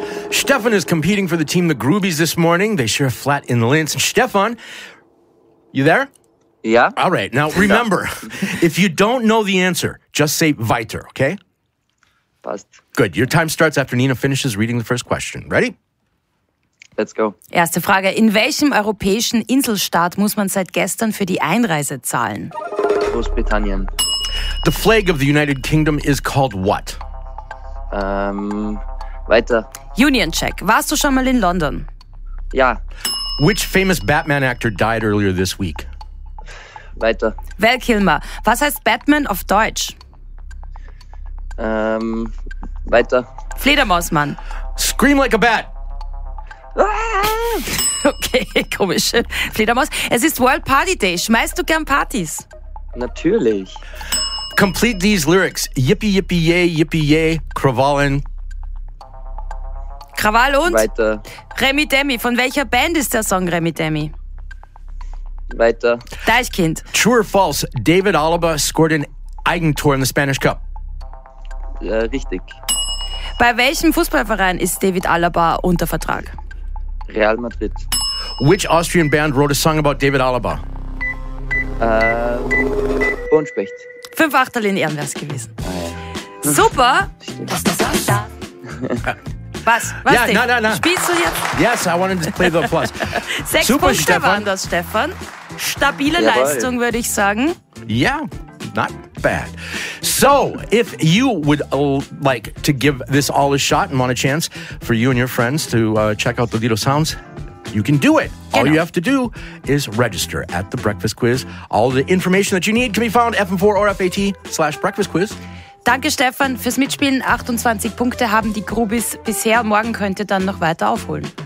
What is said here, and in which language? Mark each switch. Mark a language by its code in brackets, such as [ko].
[en] Stefan is competing for the team, the Groobies, this morning. They share a flat in Linz. Stefan, you there? Yeah. All right. Now, remember, if you don't know the answer, just say weiter, okay? [de] Passt. [en] Good. Your time starts after Nina finishes reading the first question. Ready? Let's go. [de] Erste Frage. In welchem europäischen Inselstaat muss man seit gestern für die Einreise zahlen? Großbritannien. [en] The flag of the United Kingdom is called what? [de] Weiter. [en] Union Jack. [de] Warst du schon mal in London? Ja. [en] Which famous Batman actor died earlier this week? [de] Weiter. [en] Val Kilmer. [de] Was heißt Batman auf Deutsch? Weiter. Fledermausmann. [en] Scream like a bat. [de] Okay, komische Fledermaus. Es ist World Party Day. Schmeißt du gern Partys? Natürlich. [en] Complete these lyrics. Yippie, yippie, yay, yippie, yay. [de] Krawallen. Krawall und? Weiter. Remy Demi. Von welcher Band ist der Song Remy Demi? Weiter. Deichkind. [en] True or false, David Alaba scored an Eigentor in the Spanish Cup. [de] Richtig. Bei welchem Fußballverein ist David Alaba unter Vertrag? Real Madrid. [en] Which Austrian band wrote a song about David Alaba? [de] Bonspecht. 5 Achterlin Ehren wär's gewesen. Super. Was? [en] Yeah, no. [de] Spielst du jetzt? [en] Yes, I wanted to play the plus. [de] 6 Super, Punkte Stefan. Waren das, Stefan. Stabile Jawohl. Leistung, würde ich sagen. [en] Yeah, not bad. So, if you would like to give this all a shot and want a chance for you and your friends to check out the Lido Sounds, you can do it. [de] Genau. [en] All you have to do is register at the Breakfast Quiz. All the information that you need can be found at fm4.at/breakfastquiz. [de] Danke, Stefan, fürs Mitspielen. 28 Punkte haben die Grubis bisher. Morgen könnt ihr dann noch weiter aufholen.